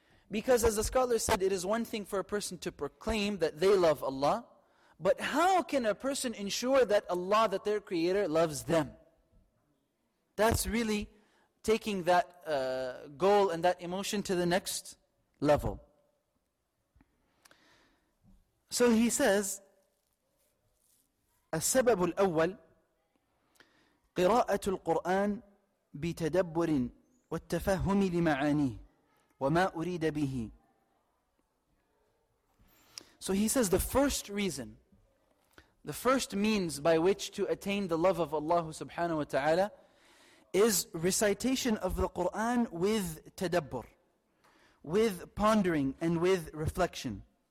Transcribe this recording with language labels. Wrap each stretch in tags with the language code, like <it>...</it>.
<en>Because as the scholar said, it is one thing for a person to proclaim that they love Allah, but how can a person ensure that Allah, that their Creator, loves them? That's really taking that goal and that emotion to the next level. So he says,</en> <ar>السبب الأول قراءة القرآن بتدبر والتفهم لمعانيه وما أريد به.</ar> <en>So he says the first reason, the first means by which to attain the love of Allah subhanahu wa ta'ala is recitation of the Qur'an with tadabbur, with pondering and with reflection.</en>